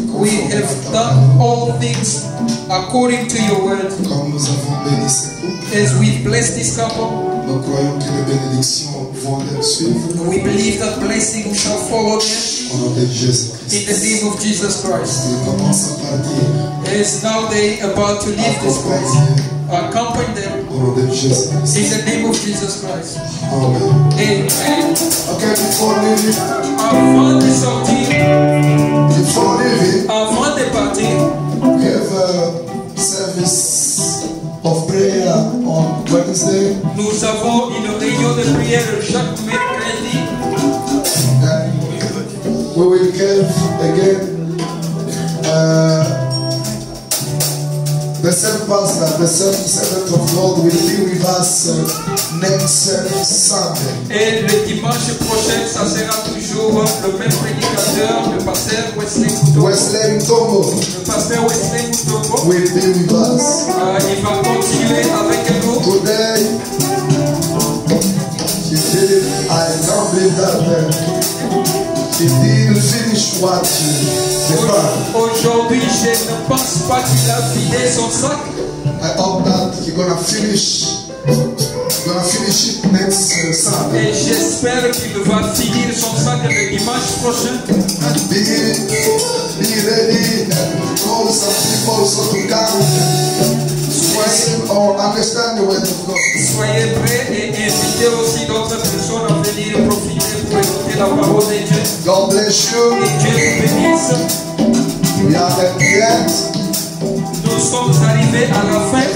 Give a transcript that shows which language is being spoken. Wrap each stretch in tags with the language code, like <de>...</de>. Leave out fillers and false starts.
<en>We have done all things according to your word.</en> <fr>Nous avons béni ce couple,</fr> <en>as we've blessed this couple,</en> <fr>nous croyons que les bénédictions vont les suivre.</fr> <en>We believe that blessing shall follow them.</en> <fr>Au nom de Jésus</fr> <en>Christ. In the name of Jesus Christ.</en> <fr>Ils commencent par dire,</fr> <en>as now they about to leave this place. Accompany them. In the name of Jesus Christ. Amen. Amen. Okay, before leaving.</en> <fr>Avant de sortir.</fr> <en>Before leaving.</en> <fr>Avant de partir.</fr> <en>We have a service of prayer on Wednesday.</en> <fr>Nous avons une réunion de prière chaque mercredi.</fr> <en>And we will give again. The same pastor, the same servant of God will be with us next Sunday.</en> <fr>Et le dimanche prochain, ça sera toujours le même prédicateur, le pasteur Wesley Mutombo. Wesley Mutombo. Le pasteur Wesley Mutombo</fr> <en>will be with us.</en> <fr>Il va continuer avec nous.</fr> <en>Good day. He did, I don't believe that. He didn't finish what he began.</en> <fr>Aujourd'hui, je ne pense pas qu'il a vidé son sac.</fr> <en>I hope that he's gonna finish. Gonna finish it next Sunday.</en> <fr>Et j'espère qu'il va finir son sac le dimanche prochain.</fr> <en>And be ready and call some people so to come.</en> <fr>Soyez prêts et invitez aussi d'autres personnes à venir profiter pour écouter la parole de Dieu.</fr> <en>God bless you.</en> <fr>Et Dieu vous bénisse.</fr> <en>We are at the end.</en> <fr>Nous sommes arrivés à la fin.</fr>